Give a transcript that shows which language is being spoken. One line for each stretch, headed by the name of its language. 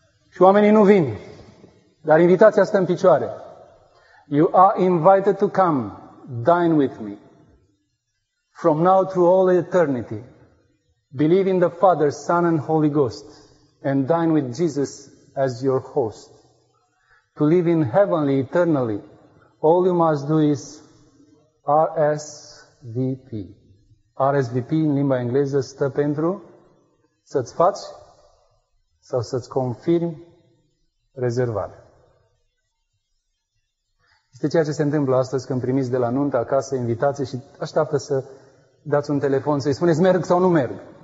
Romanian: Și oamenii nu vin, dar invitația stă în picioare.
English: You are invited to come, dine with me, from now through all eternity. Believe in the Father, Son, and Holy Ghost, and dine with Jesus as your host. To live in heavenly eternally, all you must do is RSVP.
Romanian: RSVP în limba engleză stă pentru să-ți faci sau să-ți confirmi rezervarea. Este ceea ce se întâmplă astăzi când primiți de la nuntă acasă invitații și așteaptă să dați un telefon, să-i spuneți merg sau nu merg.